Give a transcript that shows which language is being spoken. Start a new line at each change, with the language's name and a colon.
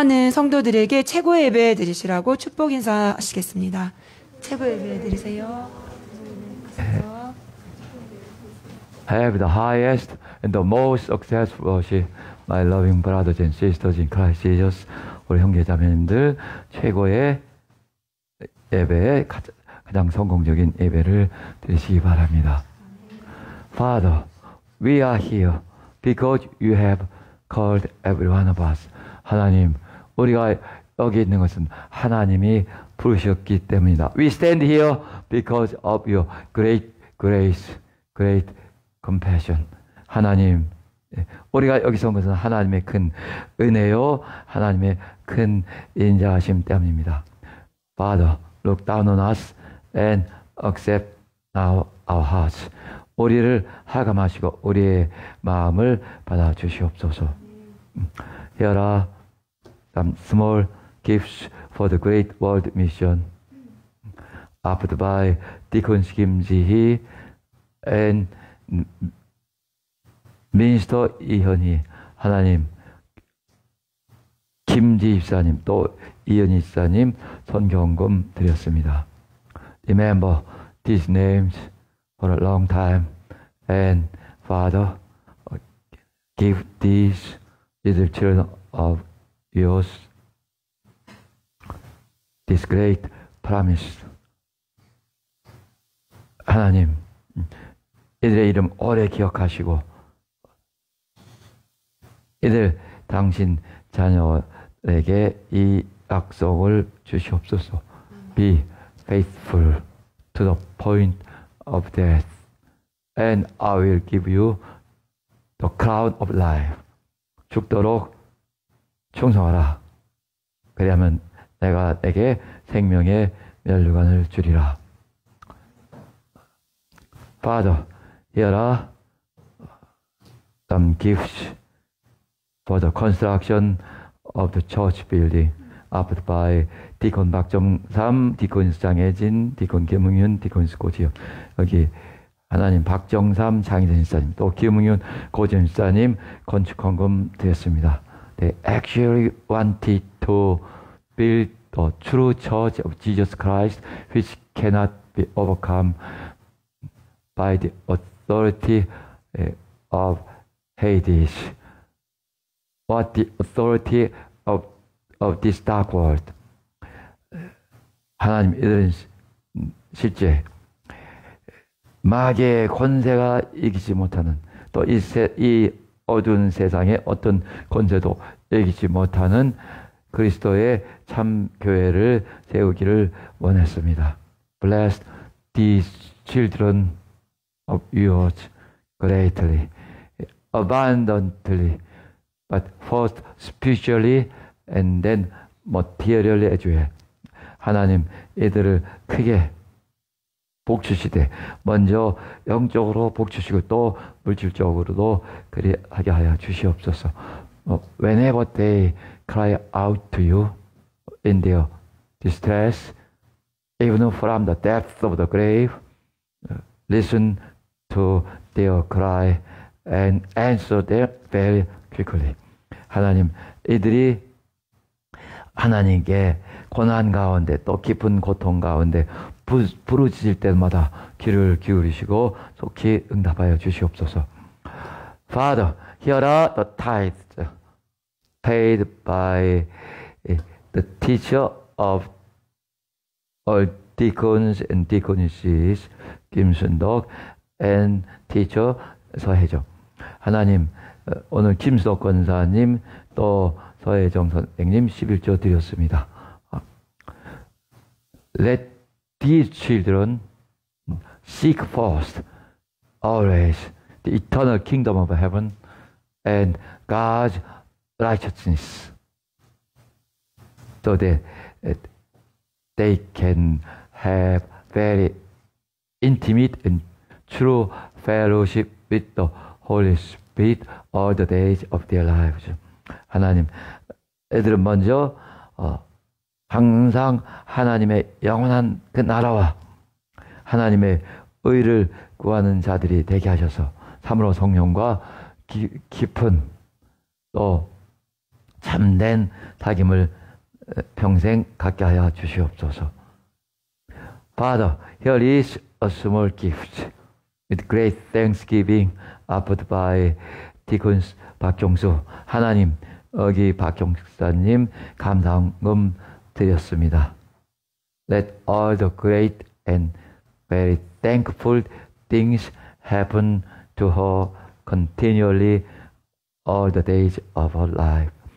Korean: 성도들에게 최고 예배 드리시라고 축복 인사하시겠습니다. 최고 예배 드리세요.
English: Have the highest and the most successful worship, my loving brothers and sisters in Christ Jesus.
Korean: 우리 형제자매님들 최고의 예배에 가장 성공적인 예배를 드리시기 바랍니다.
English: Father, we are here because you have called every one of us.
Korean: 하나님, 우리가 여기 있는 것은 하나님이 부르셨기 때문이다.
English: We stand here because of your great grace, great compassion.
Korean: 하나님, 우리가 여기서 온 것은 하나님의 큰 은혜요, 하나님의 큰 인자하심 때문입니다.
English: Father, look down on us and accept now our hearts.
Korean: 우리를 하감하시고 우리의 마음을 받아주시옵소서.
English: Here are some small gifts for the great world mission. Offered by Deacons Kim Ji-hee and Minister 이현희.
Korean: 하나님, 김지 집사님, 또 이현희 집사님 선교헌금 드렸습니다.
English: Remember these names for a long time. And Father, give these little children of yours this great promise.
Korean: 하나님, 이들의 이름 오래 기억하시고 이들 당신 자녀에게 이 약속을 주시옵소서.
English: Be faithful to the point of death. And I will give you the crown of life.
Korean: 죽도록 충성하라. 그리하면 내가 내게 생명의 면류관을 주리라.
English: Father, here are some gifts for the construction of the church building offered by Deacon 박정삼, Deacon 장혜진, Deacon 김흥윤, Deacon 고지영.
Korean: 여기 하나님, 박정삼 장혜진 집사님, 또 김흥윤 고지영 집사님 건축 헌금 드렸습니다.
English: They actually wanted to build the true church of Jesus Christ which cannot be overcome by the authority of Hades. What the authority of this dark world.
Korean: 하나님, 이들은 실제 마귀의 권세가 이기지 못하는, 또 이 어두운 세상의 어떤 권세도 이기지 못하는 그리스도의 참 교회를 세우기를 원했습니다.
English: Bless these children of yours greatly, abundantly, but first spiritually and then materially as well.
Korean: 하나님, 이들을 크게 복주시되 먼저 영적으로 복주시고 또 물질적으로도 그리하게 하여 주시옵소서.
English: Whenever they cry out to you in their distress, even from the depths of the grave, listen to their cry and answer them very quickly.
Korean: 하나님, 이들이 하나님께 고난 가운데 또 깊은 고통 가운데 부르짖을 때마다 귀를 기울이시고 속히 응답하여 주시옵소서.
English: Father, here are the tithes paid by the teacher of all deacons and deaconesses, 김순덕 and teacher 서혜정.
Korean: 하나님, 오늘 김수덕 권사님 또 서혜정 선생님 11조 드렸습니다.
English: Let these children seek first always the eternal kingdom of heaven and God's righteousness so that they can have very intimate and true fellowship with the Holy Spirit all the days of their lives.
Korean: 하나님, 애들은 먼저 항상 하나님의 영원한 그 나라와 하나님의 의를 구하는 자들이 되게 하셔서 참으로 성령과 깊은 또 참된 사귐을 평생 갖게 하여 주시옵소서.
English: Father, here is a small gift with great thanksgiving offered by Deacons 박경수.
Korean: 하나님, 여기 박경수사님 감사함 드렸습니다.
English: Let all the great and very thankful things happen to her continually all the days of her life.